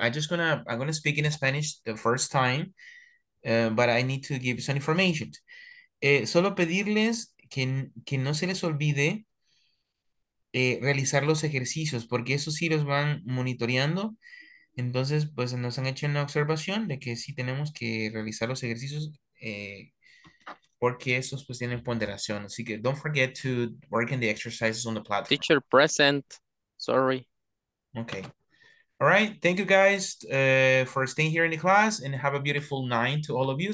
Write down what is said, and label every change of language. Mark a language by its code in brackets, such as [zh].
[en] I'm gonna speak in Spanish the first time, but I need to give some information. [es] Solo pedirles que no se les olvide realizar los ejercicios, porque eso sí los van monitoreando. Entonces, pues nos han hecho una observación de que sí tenemos que realizar los ejercicios porque esos pues tienen ponderación. Así que [en] don't forget to work in the exercises on the platform. Teacher present. Sorry. Okay. All right. Thank you guys for staying here in the class and have a beautiful night to all of you.